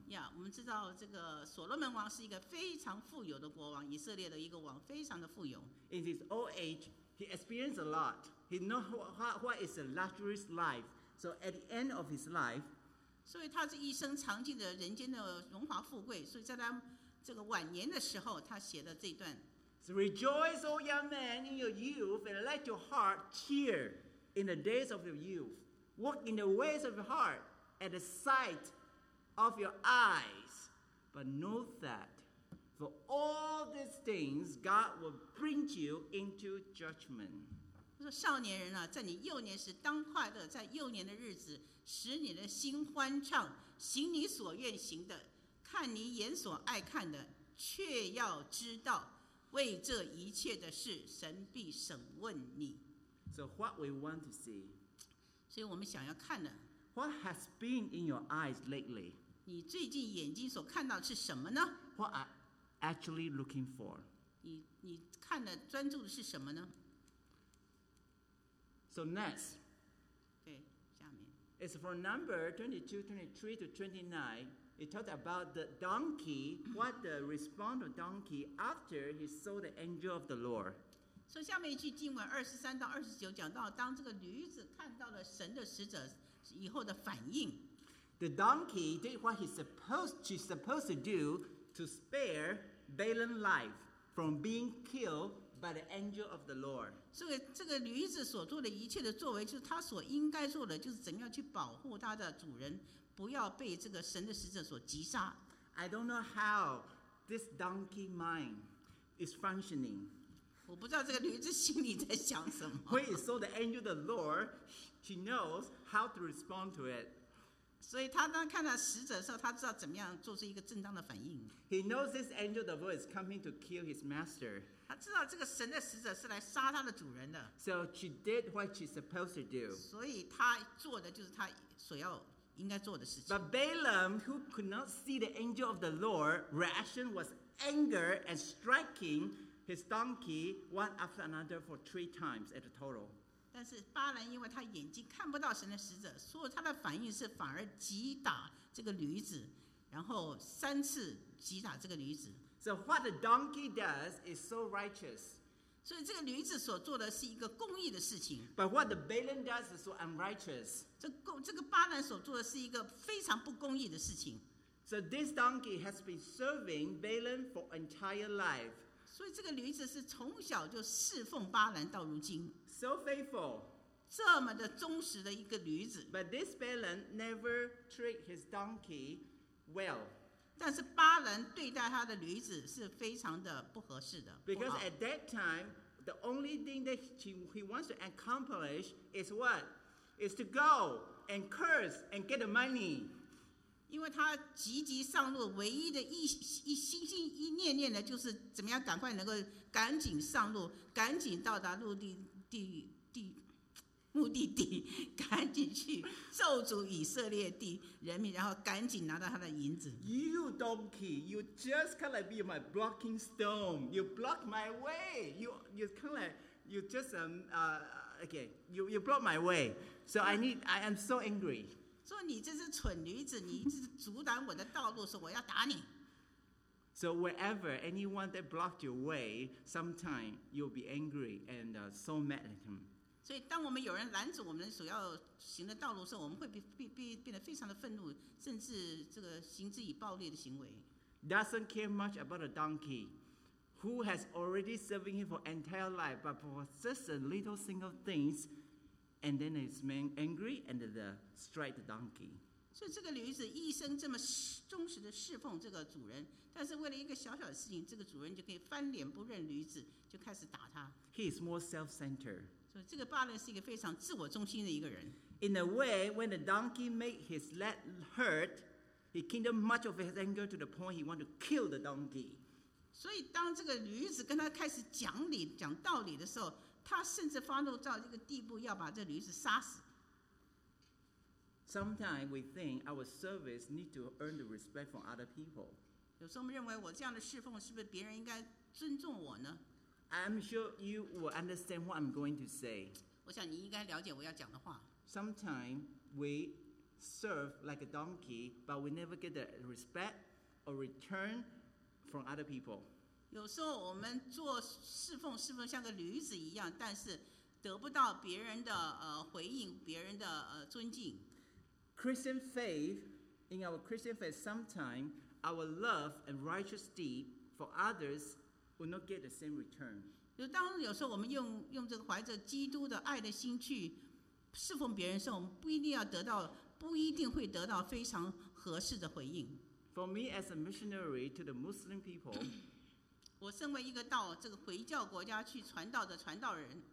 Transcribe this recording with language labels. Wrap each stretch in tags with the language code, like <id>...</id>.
<zh>Yeah, 我们知道这个所罗门王是一个非常富有的国王，以色列的一个王，非常的富有。</zh> <en>In his old age, he experienced a lot. He know what is a luxurious life. So at the end of his life,</en> <zh>所以他这一生尝尽了人间的荣华富贵。所以在他这个晚年的时候，他写了这段。</zh> <en>So rejoice, O young man, in your youth, and let your heart cheer in the days of your youth. Walk in the ways of your heart. At the sight of your eyes, but know that for all these things, God will bring you into judgment.</en> <zh>说少年人啊，在你幼年时当快乐，在幼年的日子使你的心欢畅，行你所愿行的，看你眼所爱看的，却要知道为这一切的事，神必审问你。</zh> <en>So what we want to see?</en> <zh>所以我们想要看的。</zh> <en>What has been in your eyes lately?</en> <zh>你最近眼睛所看到的是什么呢?</zh> <en>What are you actually looking for?</en> <zh>你看的专注的是什么呢?</zh> <en>So next.</en> <zh>Okay, 下面.</zh> <en>It's from number 22, 23 to 29. It talks about the donkey, what the response of donkey after he saw the angel of the Lord.</en> <zh>所以下面一句经文23到29讲到当这个驴子看到了神的使者以后的反应。</zh> <en>The donkey did what he's supposed to do to spare Balaam's life from being killed by the angel of the Lord.</en> <zh>这个驴子所做的一切的作为就是他所应该做的就是怎样去保护他的主人不要被这个神的使者所击杀。</zh> <en>I don't know how this donkey mind is functioning.</en> <zh>我不知道这个驴子心里在想什么。</zh> <en>When he saw the angel of the Lord, she knows how to respond to it.</en> <zh>所以他当看到使者的时候，他知道怎么样做出一个正当的反应。</zh> <en>He knows this angel of the Lord is coming to kill his master.</en> <zh>他知道这个神的使者是来杀他的主人的。</zh> <en>So she did what she's supposed to do.</en> <zh>所以他做的就是他所要。</zh> <en>But Balaam, who could not see the angel of the Lord, reaction was anger and striking his donkey one after another for 3 times at a total.</en> <zh>但是巴兰因为他眼睛看不到神的使者，所以他的反应是反而击打这个驴子，然后三次击打这个驴子。</zh> <en>So what the donkey does is so righteous.</en> <zh>所以这个驴子所做的是一个公义的事情。</zh> <en>But what the Balaam does is so unrighteous.</en> <zh>这个巴兰所做的是一个非常不公义的事情。</zh> <en>So this donkey has been serving Balaam for entire life.</en> <zh>所以这个驴子是从小就侍奉巴兰到如今。</zh> <en>So faithful.</en> <zh>这么的忠实的一个驴子。</zh> <en>But this Balaam never treat his donkey well.</en> <zh>但是巴兰对待他的驴子是非常的不合适的。</zh> <en>Because at that time, the only thing that he wants to accomplish is what? Is to go and curse and get the money.</en> <zh>因为他急急上路，唯一的一心心一念念的就是怎么样赶快能够赶紧上路，赶紧到达陆地地地目的地，赶紧去咒诅以色列地人民，然后赶紧拿到他的银子。</zh> <en>You donkey, you just kind of be my blocking stone. You block my way. You kind of like, you just okay. You block my way. So I am so angry.</en> <zh>说你这只蠢驴子，你一直阻挡我的道路，说我要打你。</zh> <en>So wherever anyone that blocked your way, sometime you'll be angry and so mad at him.</en> <zh>所以当我们有人拦阻我们所要行的道路的时候，我们会变得非常的愤怒，甚至这个行之以暴力的行为。</zh> <en>Doesn't care much about a donkey who has already serving him for entire life, but for just a little single things. And then his man angry and the strike the donkey.</en> <zh>所以这个驴子一生这么忠实的侍奉这个主人，但是为了一个小小的事情，这个主人就可以翻脸不认驴子，就开始打他。</zh> <en>He is more self-centered.</en> <zh>所以这个巴兰是一个非常自我中心的一个人。</zh> <en>In a way, when the donkey made his leg hurt, he kept much of his anger to the point he wanted to kill the donkey.</en> <zh>所以当这个驴子跟他开始讲理、讲道理的时候。他甚至发怒到这个地步，要把这驴子杀死。</zh> <en>Sometimes we think our service need to earn the respect from other people.</en> <zh>有时候我们认为我这样的侍奉是不是别人应该尊重我呢</zh> <en>？I'm sure you will understand what I'm going to say.</en> <zh>我想你应该了解我要讲的话。</zh> <en>Sometimes we serve like a donkey, but we never get the respect or return from other people.</en> <zh>有时候我们做侍奉像个驴子一样，但是得不到别人的回应，别人的尊敬。</zh> <en>Christian faith, in our Christian faith, sometimes our love and righteous deed for others will not get the same return.</en> <zh>有时候我们用这个怀着基督的爱的心去侍奉别人的时候，我们不一定会得到非常合适的回应。</zh> <en>For me as a missionary to the Muslim people.</en> <zh>我身为一个到这个回教国家去传道的传道人</zh>